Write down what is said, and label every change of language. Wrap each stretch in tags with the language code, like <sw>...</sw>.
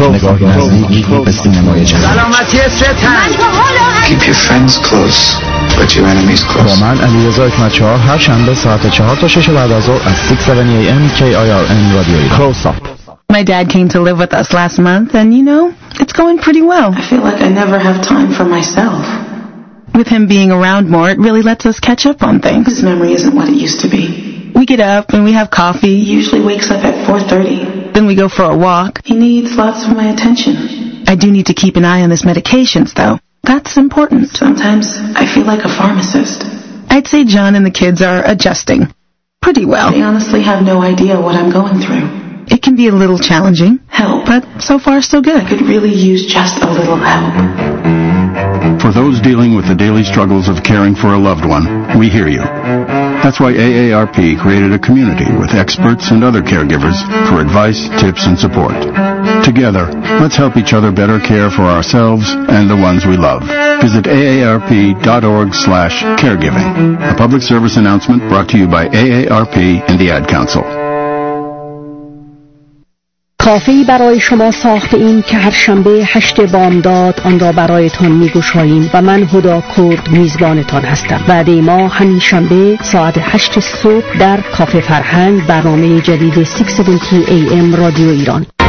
<fa>نگاهی نزدیک به سینمای جهان. سلامتی ستن.</fa> <en>Keep your friends close, but your enemies close.</en> <fa>با من علیرضا حکمت‌چهار هر شنبه ساعت 4 تا 6 بعد از ظهر از 670 AM KIRN رادیویی.</fa> <en>Close up. My dad came to live with us last month and you know, it's going pretty well. I feel like I never have time for myself. With him being around more, it really lets us catch up on things. His memory isn't what it used to be. We get up and we have coffee. He usually wakes up at 4:30. Then we go for a walk. He needs lots of my attention. I do need to keep an eye on his medications, though. That's important. Sometimes I feel like a pharmacist. I'd say John and the kids are adjusting pretty well. They honestly have no idea what I'm going through. It can be a little challenging. Help. But so far, so good. I could really use just a little help. For those dealing with the daily struggles of caring for a loved one, we hear you. That's why AARP created a community with experts and other caregivers for advice, tips, and support. Together, let's help each other better care for ourselves and the ones we love. Visit aarp.org/caregiving. A public service announcement brought to you by AARP and the Ad Council.</en> <fa>کافه‌ای برای شما ساخته‌ایم که هر شنبه 8 بامداد آن را برایتان می‌گشاییم و من هدا کرد میزبانتان هستم. وعده ما همین شنبه ساعت 8 صبح در کافه فرهنگ، برنامه جدید 670 AM رادیو ایران.</fa>